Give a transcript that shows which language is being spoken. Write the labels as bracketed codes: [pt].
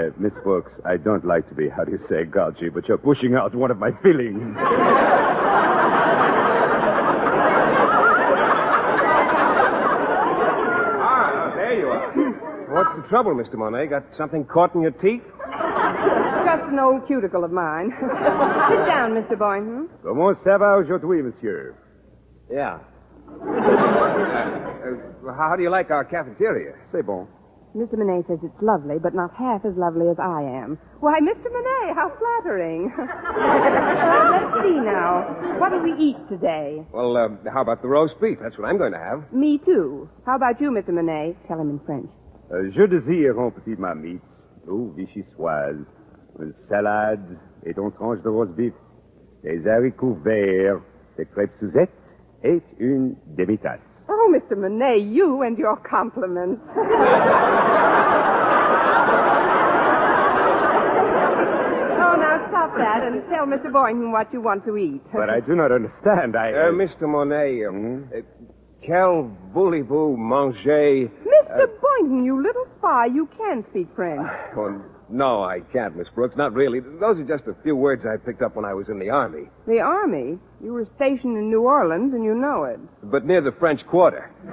[en] Miss Brooks, I don't like to be, how do you say, gouty, but you're pushing out one of my feelings. Ah, there you are. What's the trouble, Mr. Monet? Got something caught in your teeth? Just an old cuticle of mine. Sit down, Mr. Boynton. [fr] Comment ça va aujourd'hui, monsieur? [en] Yeah. How do you like our cafeteria? [fr] C'est bon. [en] Mr. Monet says it's lovely, but not half as lovely as I am. Why, Mr. Monet, how flattering. Well, let's see now. What do we eat today? Well, how about the roast beef? That's what I'm going to have. Me too. How about you, Mr. Monet? Tell him in French. [fr] Je désire un petit marmite. Au vichyssoise. Une salade et une tranche de roast beef, des haricots verts, des crêpes suzettes et une demi-tasse. [en] Oh, Mr. Monet, you and your compliments. Oh, now stop that and tell Mr. Boynton what you want to eat. But I do not understand. Mr. [fr] Monet, quel voulez-vous manger? [en] Mr. Boynton, you little spy, you can speak French. No, I can't, Miss Brooks. Not really. Those are just a few words I picked up when I was in the Army. The Army? You were stationed in New Orleans, and you know it. But near the French Quarter.